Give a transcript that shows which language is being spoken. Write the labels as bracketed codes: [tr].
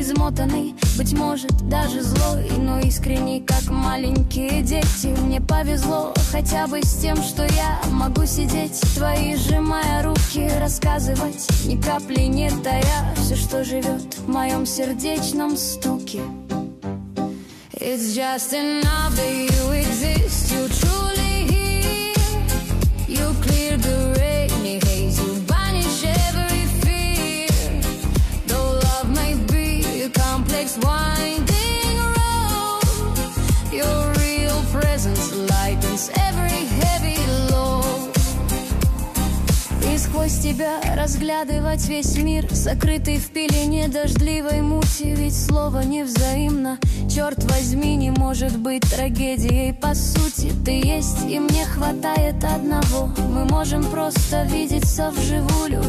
[ru] Измотанный, быть может, даже злой, но искренний, как маленькие дети. Мне повезло хотя бы с тем, что я могу сидеть, твои сжимая руки, рассказывать, ни капли не тая, все, что живет в моем сердечном стуке. [en] It's just enough that you exist, you truly hear, you clear the rainy haze, you banish every fear, though love may be a complex winding road, your real presence lightens every heavy load. [ru] И сквозь тебя разглядывать весь мир, закрытый в пелене дождливой мути, ведь слово невзаимно. Черт возьми, не может быть трагедией. По сути, ты есть, и мне хватает одного. Мы можем просто видеться вживую.